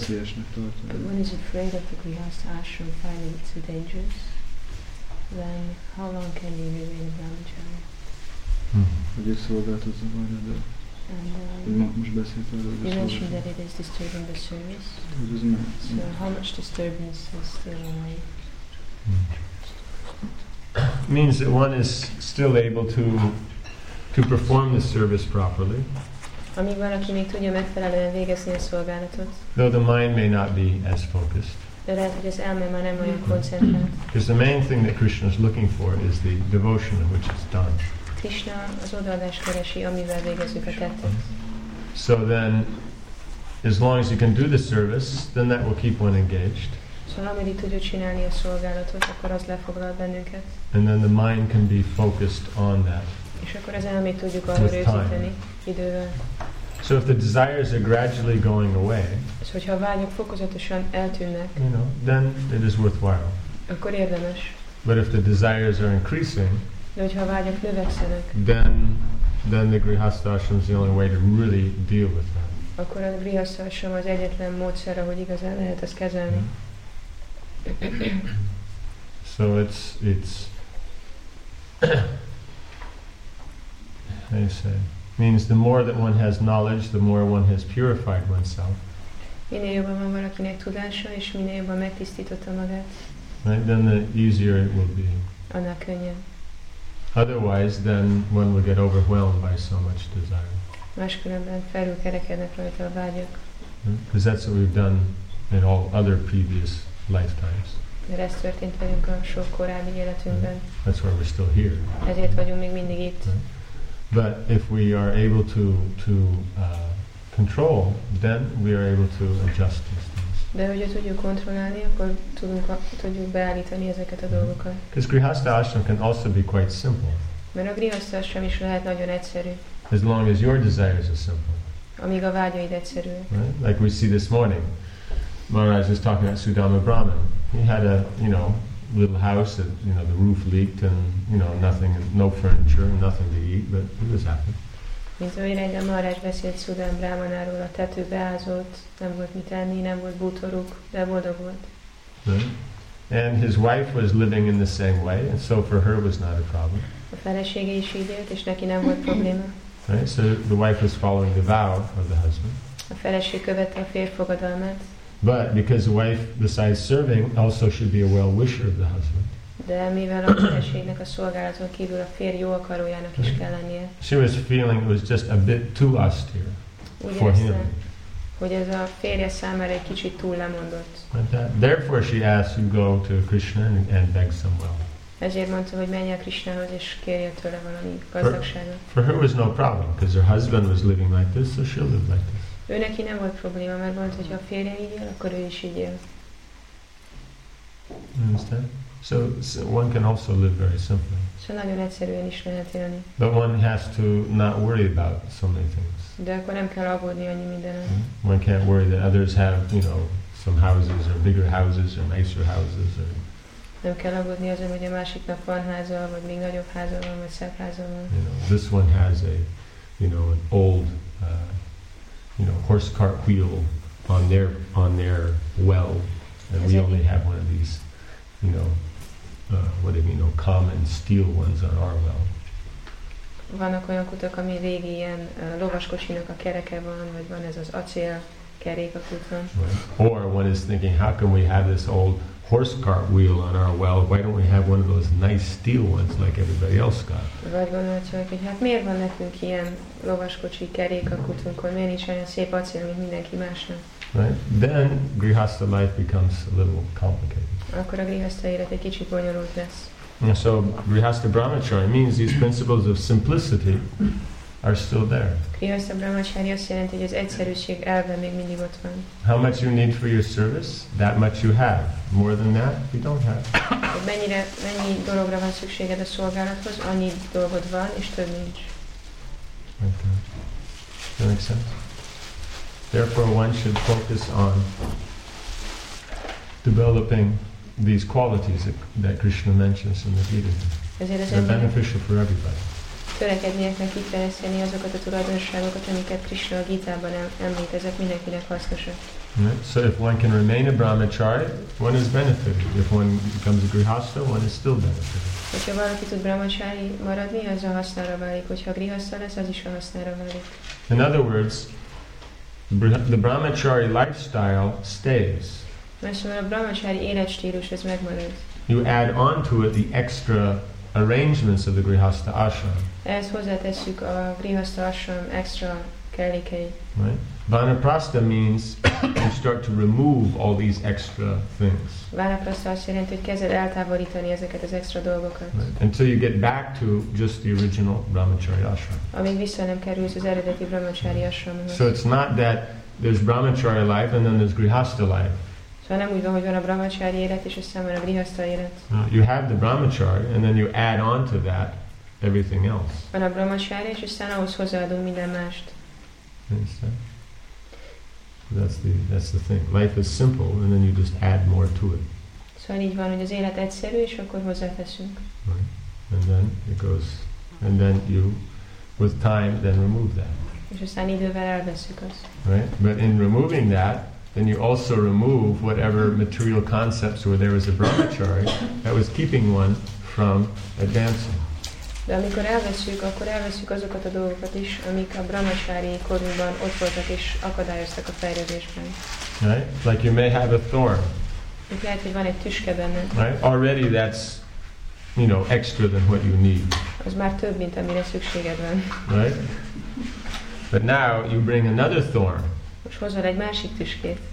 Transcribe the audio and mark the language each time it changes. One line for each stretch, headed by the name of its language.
English: one is afraid of the grihastha ashram finding it too dangerous, then how long can he remain a brahmachari? You mentioned that it is disturbing the service. So how much disturbance is still awake? Means that one is still able to perform the service properly.
Hungarian: Amíg valaki még tudja megfelelően végezni a szolgálatot.
English: Though the mind may not be as focused.
Hungarian: De lehet, hogy az elme már nem olyan koncentrált.
English: Because the main thing that Krishna is looking for is the devotion in which it's done.
Hungarian: Krishna az odaadás keresi, amivel végezzük a tettet.
English: So then, as long as you can do the service, then that will keep one engaged.
Hungarian: Szóval, ameddig tudjuk csinálni a szolgálatot, akkor az lefoglal bennünket.
English: And then the mind can be focused on that.
Hungarian: És akkor az elmét tudjuk arra rögzíteni idővel.
English: So if the desires are gradually going away,
Hungarian: és hogyha a vágyak fokozatosan eltűnnek,
English: you know, then it is worthwhile.
Hungarian: Akkor érdemes.
English: But if the desires are increasing,
Hungarian: de hogyha a vágyak növekszenek,
English: then the grihastha ashram is the only way to really deal with that.
Hungarian: Akkor a grihastha ashram az egyetlen módszer, ahogy igazán lehet ezt kezelni.
English: So it's I say, means the more that one has knowledge, the more one has purified oneself.
Hungarian: Minél jobban van valakinek tudása, és minél jobban megtisztította magát.
English: Right, then the easier it will be.
Hungarian: Annál könnyebb.
English: Otherwise, then one will get overwhelmed by so much desire.
Hungarian: Máskülönben felülkerekednek rajta a vágyak.
English: Because that's what we've done in all other previous lifetimes.
Hungarian: Mert ez történt velünk a sok korábbi életünkben.
English: That's why we're still here.
Hungarian: Ezért vagyunk még mindig itt.
English: Right. But if we are able to control, then we are able to adjust these things.
Hungarian: De hogyha tudjuk kontrollálni, akkor tudjuk beállítani ezeket a dolgokat.
English: Because grihastha ashram can also be quite simple.
Hungarian: Mert a grihastha ashram is lehet nagyon egyszerű.
English: As long as your desires are simple.
Hungarian: Amíg a vágyaid egyszerűek.
English: Right? Like we see this morning, Maharaj was talking about Sudama Brahman. He had a, you know, little house that, you know, the roof leaked and, you know, nothing, no furniture, nothing to eat, but it was happy.
Hungarian: Mint ahogy reggel Maharaj beszélt Sudama Brahmanáról, a tető beázott, nem volt mit enni, nem volt bútoruk, de boldog volt.
English: And his wife was living in the same way, and so for her was not a problem.
Hungarian: A felesége is így élt, és neki nem volt probléma.
English: Right? So the wife was following the vow of the husband.
Hungarian: A feleség követte a férj fogadalmát.
English: But because the wife, besides serving, also should be a well-wisher of the husband.
Hungarian: De mivel a feleségnek a szolgálaton kívül a férj jó akarójának is kell lennie.
English: She was feeling it was just a bit too austere for him.
Hungarian: Hogy ez a férje számára egy kicsit túl lemondott.
English: Therefore she asked to go to Krishna and beg some wealth.
Hungarian: Ezért mondta, hogy menj el Krishnahoz és kérje tőle valami gazdagságot.
English: For her was no problem, because her husband was living like this, so she'll live like this.
Hungarian: Ő neki nem volt probléma, mert volt, hogy a férje így él, akkor ő is így él.
English: Understand? So one can also live very simply.
Hungarian: Szóval nagyon egyszerűen is lehet élni.
English: But one has to not worry about so many things.
Hungarian: De akkor nem kell aggódni annyi mindenen.
English: One can't worry that others have, you know, some houses or bigger houses or nicer houses or.
Hungarian: Nem kell aggódni azon, hogy a másiknak van háza, vagy még nagyobb háza van, vagy szebb háza van.
English: You know, this one has a, you know, an old. You know, horse cart wheel on their well, and we only have one of these. You know, what do you mean? Common steel ones on our well.
Hungarian: Vannak olyan kutak, ami régi ilyen lovaskocsinak a kereke van, vagy van ez az acél kerék a kuton.
English: Or one is thinking, how can we have this old horse cart wheel on our well? Why don't we have one of those nice steel ones like everybody else got?
Hungarian: Vagy gondolja, hogy hát miért van nekünk ilyen lovaskocsi kerék a kutunkon, miért nincs olyan szép acél, mint mindenki másnak?
English: Right? Then grihastha life becomes a little complicated.
Hungarian: Akkor a grihastha élet egy kicsit bonyolult lesz.
English: And so grihastha brahmacharya means these principles of simplicity are still there.
Hungarian: Grihastha brahmacharya azt jelenti, hogy az egyszerűség elve még mindig ott van.
English: How much you need for your service, that much you have. More than that, you don't have.
Hungarian: Mennyi dologra van szükséged a szolgálathoz, annyi dolgod van, és több nincs.
English: Okay. Does that make sense? Therefore, one should focus on developing these qualities that Krishna mentions in the Gita. They're beneficial for everybody.
Hungarian: Törekednieknek kifejleszteni azokat a tulajdonságokat, amiket Krishna a Gita-ban említ, ezek mindenkinek hasznosak.
English: So if one can remain a brahmacharya, one is benefited. If one becomes a grihastha, one is still benefited.
Hungarian: Hogyha valaki tud brahmacharya maradni, az a hasznára válik. Hogyha grihastha lesz, az is a hasznára válik.
English: In other words, the brahmacharya lifestyle stays.
Hungarian: Szóval a brahmacharya életstílus ez megmarad.
English: You add on to it the extra arrangements of the grihastha ashram.
Hungarian: Ehhez hozzátesszük a grihastha ashram extra kellékeit.
English: Right? Vanaprastha means you start to remove all these extra things.
Hungarian: Vanaprastha azt jelenti, hogy kezded eltávolítani ezeket az extra dolgokat.
English: Right. Until you get back to just the original brahmacharya ashram.
Hungarian: Amíg vissza nem kerülsz az eredeti brahmacharya ashramhoz.
English: So it's not that there's brahmacharya life and then there's grihastha life.
Hungarian: Szóval nem úgy van, hogy van a brahmacharya élet és aztán van a grihastha élet.
English: No, you have the brahmacharya and then you add on to that everything else.
Hungarian: Van a brahmacharya és aztán ahhoz hozzáadunk minden mást.
English: That's the thing. Life is simple, and then you just add more to it.
Hungarian: So így van, hogy az élet egyszerű, és akkor hozzáteszünk.
English: Right, and then it goes, and then you, with time, then remove that.
Hungarian: És aztán idővel elveszük azt.
English: Right, but in removing that, then you also remove whatever material concepts where there was a brahmacharya that was keeping one from advancing.
Hungarian: De amikor elveszük, akkor elveszük azokat a dolgokat is, amik a brahmacharya korunkban ott voltak és akadályoztak a fejlődésben.
English: Right? Like you may have a thorn.
Hungarian: Úgy lehet, hogy van egy tüske benne.
English: Right? Already that's, you know, extra than what you need.
Hungarian: Az már több, mint amire szükséged van.
English: Right? But now you bring another thorn.
Hungarian: Most hozol egy másik tüskét.